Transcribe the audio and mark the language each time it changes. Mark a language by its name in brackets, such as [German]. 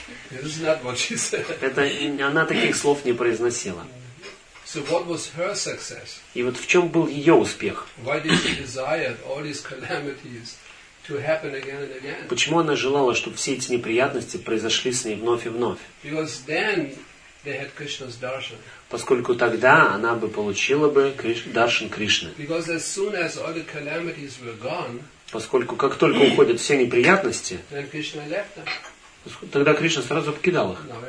[Russian] Это она таких слов не произносила. [English] So what was her success? [Russian] И вот в чем был ее успех? [English] Why did she desire all these calamities to happen again and again? [Russian] Почему она желала, чтобы все эти неприятности произошли с ней вновь и вновь? [English] Because then they had Krishna's darshan. [Russian] Поскольку тогда она бы получила бы даршан Кришны. [English] Because as soon as all the calamities were gone, [Russian] поскольку как только уходят все неприятности, [English] then Krishna left them. [Russian] Тогда Кришна сразу покидал их.